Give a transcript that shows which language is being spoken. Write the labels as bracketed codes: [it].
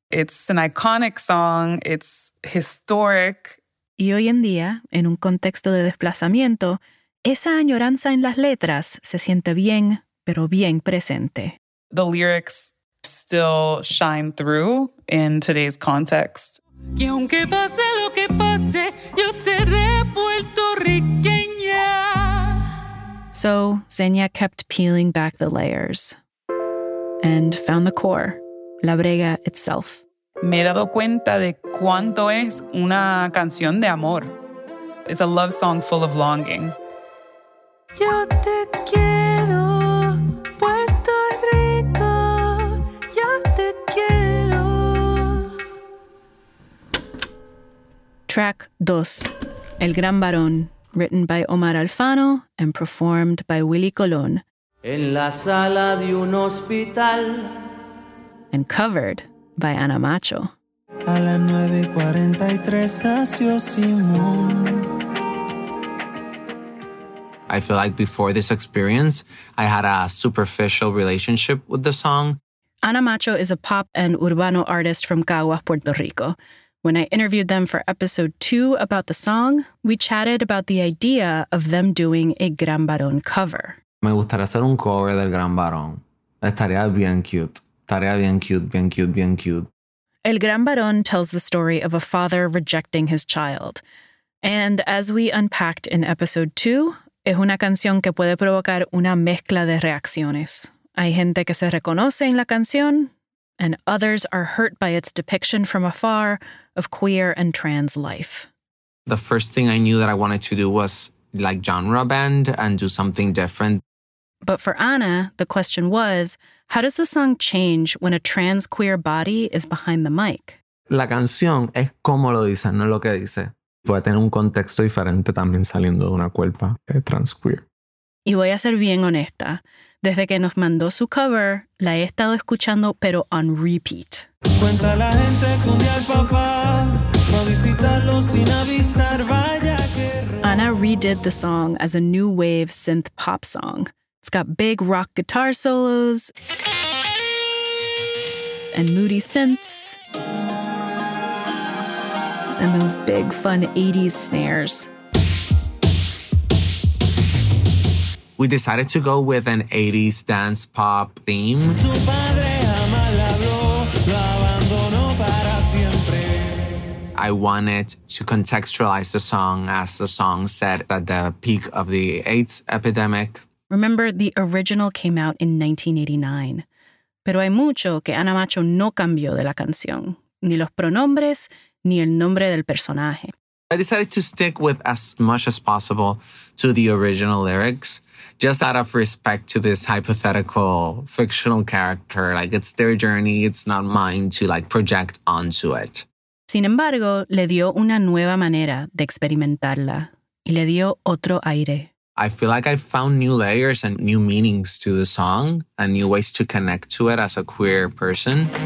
[en] It's an iconic song, it's historic. [es] Y hoy en día, en un contexto de desplazamiento, esa añoranza en las letras se siente bien, pero bien presente. [en] The lyrics still shine through in today's context. [es] Y aunque pase lo que pase, yo seré puertorriqueña. [en] So, Zenia kept peeling back the layers and found the core, la brega itself. [es] Me he dado cuenta de cuánto es una canción de amor. [en] It's a love song full of longing. [es] Yo te quiero, Puerto Rico. Yo te quiero. [en] Track 2, El Gran Barón, written by Omar Alfano and performed by Willy Colón. [es] En la sala de un hospital. [en] And covered by Ana Macho. [es] A las 9:43 nació Simón. [en] I feel like before this experience, I had a superficial relationship with the song. Ana Macho is a pop and urbano artist from Caguas, Puerto Rico. When I interviewed them for episode 2 about the song, we chatted about the idea of them doing a Gran Barón cover. [es] Me gustaría hacer un cover del Gran Barón. Estaría bien cute. Estaría bien cute, bien cute, bien cute. [en] El Gran Barón tells the story of a father rejecting his child. And as we unpacked in episode 2, [es] es una canción que puede provocar una mezcla de reacciones. Hay gente que se reconoce en la canción, [en] and others are hurt by its depiction from afar of queer and trans life. The first thing I knew that I wanted to do was like genre bend and do something different. But for Ana, the question was, how does the song change when a trans queer body is behind the mic? [es] La canción es como lo dice, no lo que dice. Puede tener un contexto diferente también saliendo de una cuerpa trans queer. Y voy a ser bien honesta. Desde que nos mandó su cover, la he estado escuchando, pero [en] on repeat. [es] Cuenta la gente que un día el papá va a visitarlo sin avisar, vaya que... [en] Ana redid the song as a new wave synth pop song. It's got big rock guitar solos and moody synths and those big, fun 80s snares. We decided to go with an 80s dance pop theme. [es] Su padre jamás habló, lo abandonó para siempre. [en] I wanted to contextualize the song as the song said at the peak of the AIDS epidemic. Remember, the original came out in 1989. [es] Pero hay mucho que Ana Macho no cambió de la canción. Ni los pronombres, ni el nombre del personaje. [en] I decided to stick with as much as possible to the original lyrics, just out of respect to this hypothetical, fictional character. Like, it's their journey, it's not mine to, like, project onto it. [es] Sin embargo, le dio una nueva manera de experimentarla. Y le dio otro aire. [en] I feel like I found new layers and new meanings to the song and new ways to connect to it as a queer person.